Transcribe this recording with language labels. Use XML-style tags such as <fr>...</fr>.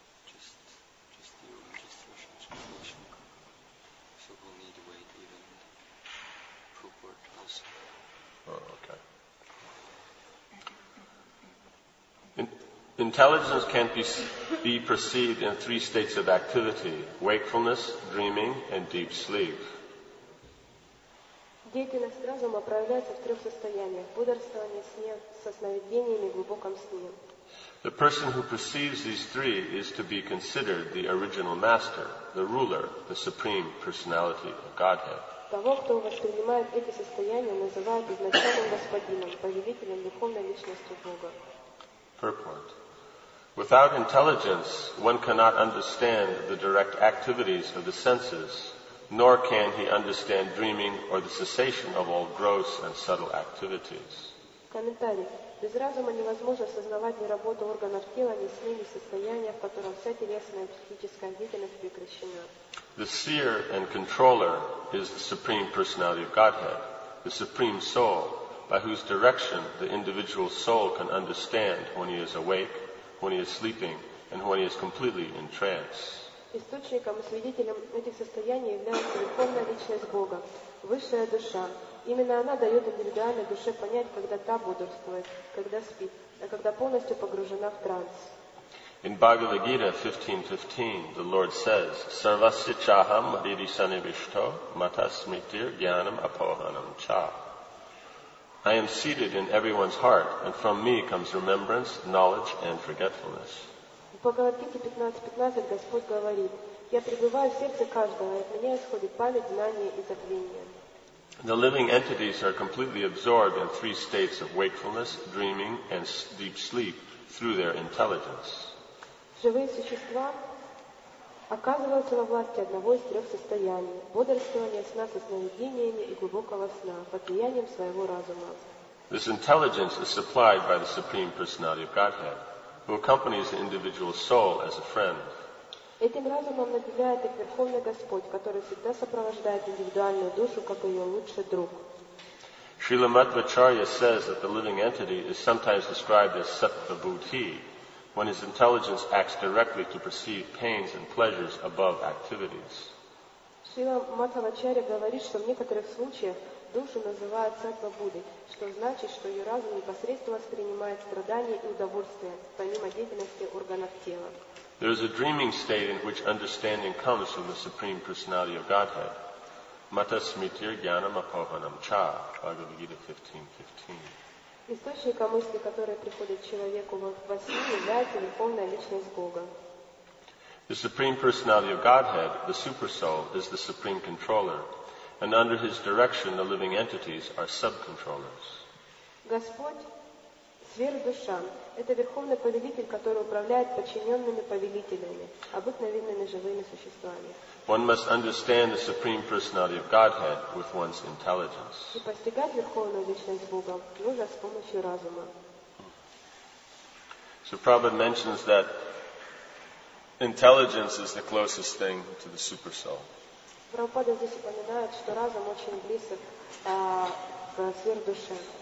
<en>Just your sensation. So we'll need to wait even purport also. Oh, okay. Intelligence can't be perceived in three states of activity: wakefulness, dreaming, and deep sleep.</en> <ru>Деятельность разума проявляется в трех состояниях: бодрствование, сне, со сновидениями, глубоком сне.</ru> <en>The person who perceives these three is to be considered the original master, the ruler, the supreme personality of Godhead.</en> <ru>Того, кто воспринимает эти состояния, называют изначальным господином, повелителем духовной личности Бога.</ru> <en>Purport. Without intelligence, one cannot understand the direct activities of the senses, nor can he understand dreaming or the cessation of all gross and subtle activities.</en> <ru>Комментарий. Без разума невозможно осознавать ни работу органов тела, ни сны, ни состояния, в котором вся телесная и психическая деятельность прекращена.</ru> <en>The seer and controller is the supreme personality of Godhead, the supreme soul, by whose direction the individual soul can understand when he is awake, when he is sleeping, and when he is completely in trance.</en> <ru>Источником и свидетелем этих состояний является верховная личность Бога, высшая душа. Именно она дает индивидуальной душе понять, когда та бодрствует, когда спит, а когда полностью погружена в транс.</ru> <en>In Bhagavad Gita 15:15, the Lord says,</en> <sa>"Sarvasya chaham ridisanivishto matasmitir jnanam apohanam cha."</sa> <en>I am seated in everyone's heart, and from me comes remembrance, knowledge, and forgetfulness.</en> <ru>В Бхагавад Гите 15:15 Господь говорит: Я пребываю в сердце каждого, и от меня исходит память, знание и забвение.</ru> <en>The living entities are completely absorbed in three states of wakefulness, dreaming, and deep sleep through their intelligence.</en> <ru>Живые существа оказываются во власти одного из трех состояний – бодрствования, сна со сновидениями и глубокого сна под влиянием своего разума.</ru> <en>This intelligence is supplied by the Supreme Personality of Godhead, who accompanies the individual soul as a friend.</en> <ru>Этим разумом наделяет их Верховный Господь, который всегда сопровождает индивидуальную душу, как ее лучший друг.</ru> <en>Srila Madhvacharya says that the living entity is sometimes described as Sattva-Buddhi, when his intelligence acts directly to perceive pains and pleasures above activities.</en> <ru>Srila Madhvacharya говорит, что в некоторых случаях душу называют Сатва Будды, что значит, что ее разум непосредственно воспринимает страдания и удовольствия, помимо деятельности органов тела.</ru> <en>There is a dreaming state in which understanding comes from the Supreme Personality of Godhead.</en> <sa>Matasmitir jnanam apohanam cha, Bhagavad Gita 15:15.</sa> <ru>Источником мысли, которая приходит человеку во сне, является верховная личность Бога.</ru> <en>The Supreme Personality of Godhead, the Super Soul, is the Supreme Controller, and under His direction, the living entities are sub-controllers.</en> <ru>Господь, сверхдуша, это верховный повелитель, который управляет подчиненными повелителями, обыкновенными живыми существами.</ru> <en>One must understand the Supreme Personality of Godhead with one's intelligence.</en> <ru>И постигать верховную личность Бога нужно с помощью разума.</ru> <en>So Prabhupada mentions that intelligence is the closest thing to the super soul.</en> <ru>Прабхупада здесь упоминает, что разум очень близок к сверхдуше.</ru>